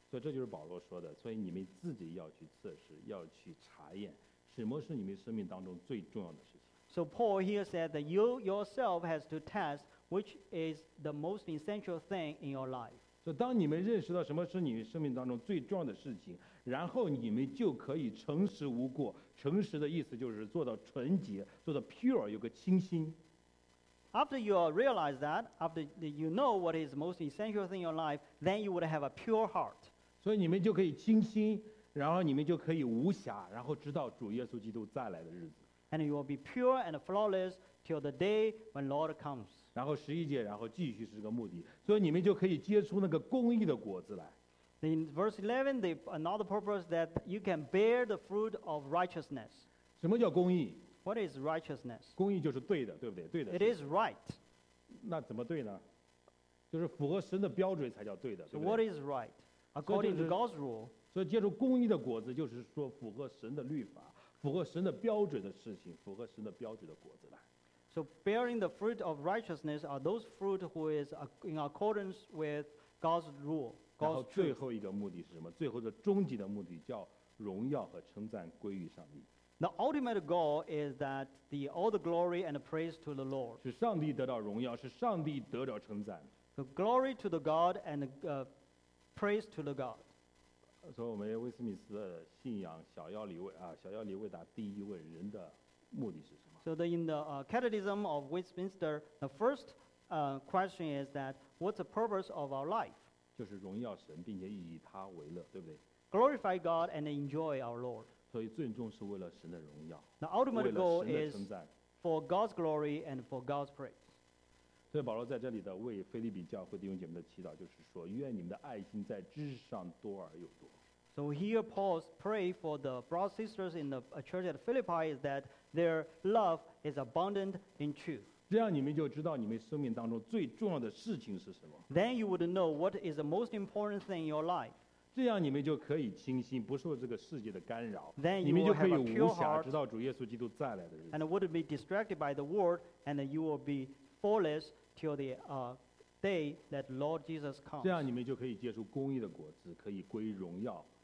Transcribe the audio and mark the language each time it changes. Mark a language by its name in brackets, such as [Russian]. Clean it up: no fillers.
[Chinese] 所以这就是保罗说的，所以你们自己要去测试，要去查验。什么是你们生命当中最重要的事情 [English] ？So Paul here said that you yourself has to test which is the most essential thing in your life. [Chinese] 所以当你们认识到什么是你们生命当中最重要的事情，然后你们就可以诚实无过。诚实的意思就是做到纯洁，做到 pure， 有个清心。 [English] After you realize that, after you know what is the most essential thing in your life, then you would have a pure heart. [Chinese] 所以你们就可以清心。然后你们就可以无暇，然后直到主耶稣基督再来的日子。 [English] And you will be pure and flawless till the day when Lord comes. [Chinese] 然后十一节，然后继续是个目的，所以你们就可以结出那个公义的果子来。 [English] In verse 11, the another purpose that you can bear the fruit of righteousness. [Chinese] 什么叫公义 [English] ？What is righteousness? [Chinese] 公义就是对的，对不对？对的。 [English] It is right. [Chinese] 那怎么对呢？就是符合神的标准才叫对的，对不对 [English] ？So what is right? According to God's rule. [Chinese] 所以结出公义的果子，就是说符合神的律法，符合神的标准的事情，符合神的标准的果子来。 [English] So bearing the fruit of righteousness are those fruit who is in accordance with God's rule. [Chinese] 然后最后一个目的是什么？最后的终极的目的叫荣耀和称赞归于上帝。 [English] The ultimate goal is that the all the glory and the praise to the Lord. [Chinese] 是上帝得到荣耀，是上帝得到称赞。 [English] The glory to the God and praise to the God. [Chinese] 所以我们威斯敏斯特信仰小要理为啊，小要理为答第一问人的目的是什么 [English] ？So the in the Catechism of Westminster, the first question is that what's the purpose of our life？ [Chinese] 就是荣耀神，并且以他为乐，对不对 [English] ？Glorify God and enjoy our Lord。 [Chinese] 所以最终是为了神的荣耀。 [English] The ultimate goal is for God's glory and for God's praise。 [Chinese] 所以保罗在这里的为腓立比教会弟兄姐妹的祈祷，就是说，愿你们的爱心在知识上多而又多。 [English] So here Paul pray for the brothers sisters in the church at Philippi is that their love is abundant in truth. [Chinese] 这样你们就知道你们生命当中最重要的事情是什么。 [English] Then you would know what is the most important thing in your life. [Chinese] 这样你们就可以清心，不受这个世界的干扰。 [English] Then you [Chinese] 你们就可以无暇，直到主耶稣基督再来的日子。 [English] And wouldn't be distracted by the world, and you will be flawless till the day that Lord Jesus comes. [Chinese] 这样你们就可以结出公义的果子，可以归荣耀。